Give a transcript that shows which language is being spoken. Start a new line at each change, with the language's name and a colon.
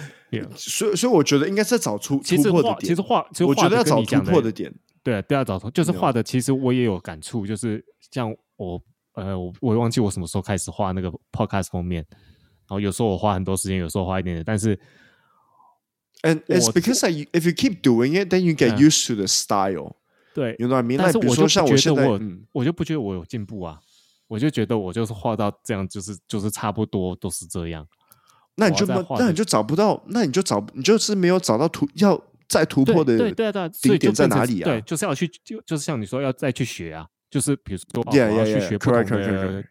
English: Yeah.
Chinese: 所以我觉得应该是要找出突破的点。其实我觉得要找突破的点。对啊，第二种就是画的，其实我也有感触，就是像我忘记我什么时候开始画那个 podcast 封面，然后有时候我花很多时间，有时候花一点点，但是
English: ，and it's because like if you keep doing it, then you get used to the style.
Chinese: 对
English: ，you know what I mean?
Chinese: 但是比如说像我现在，我就不觉得我有进步啊，我就觉得我就是画到这样，就是差不多都是这样。那你就找不到，那你就找你就是没有找到图要。再突破的对对对，顶点在哪里啊？对，就是要去，就是像你说，要再去学啊。就是比如说，哦，我要去学不同的